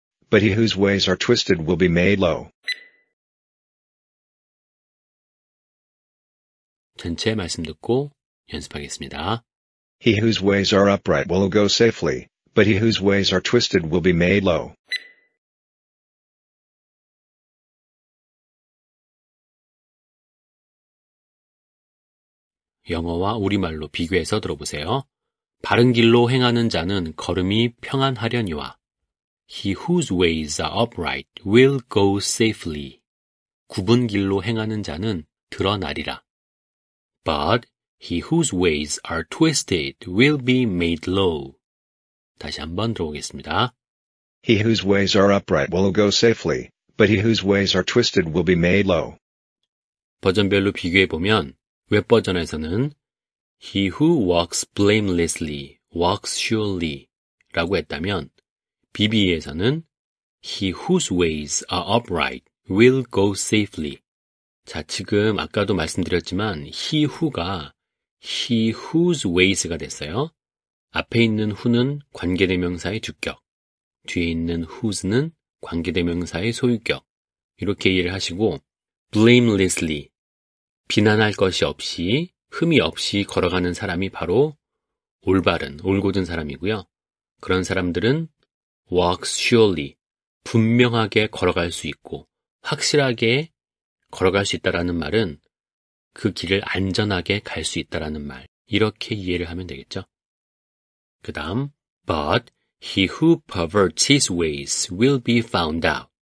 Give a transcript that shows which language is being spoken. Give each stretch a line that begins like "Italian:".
English: But he whose ways are twisted will be made low.
Korean: 전체 말씀 듣고 연습하겠습니다.
English: He whose ways are upright will go safely, but he whose ways are twisted will be made low.
Korean: 영어와 우리말로 비교해서 들어보세요. 바른 길로 행하는 자는 걸음이 평안하려니와
English: He whose ways are upright will go safely.
Korean: 굽은 길로 행하는 자는 드러나리라.
English: But he whose ways are twisted will be made low.
Korean: 다시 한번 들어보겠습니다.
English: He whose ways are upright will go safely, but he whose ways are twisted will be made low.
Korean: 버전별로 비교해보면 웹 버전에서는
English: He who walks blamelessly walks surely
Korean: 라고 했다면 BB에서는
English: He whose ways are upright will go safely.
Korean: 자, 지금 아까도 말씀드렸지만 He who가 He whose ways가 됐어요. 앞에 있는 who는 관계대명사의 주격, 뒤에 있는 whose는 관계대명사의 소유격, 이렇게 이해를 하시고 blamelessly, 비난할 것이 없이, 흠이 없이 걸어가는 사람이 바로 올바른, 올곧은 사람이고요. 그런 사람들은 walk surely, 분명하게 걸어갈 수 있고 확실하게 걸어갈 수 있다라는 말은 그 길을 안전하게 갈 수 있다라는 말, 이렇게 이해를 하면 되겠죠. 그 다음,
English: but he who perverts his ways will be found out.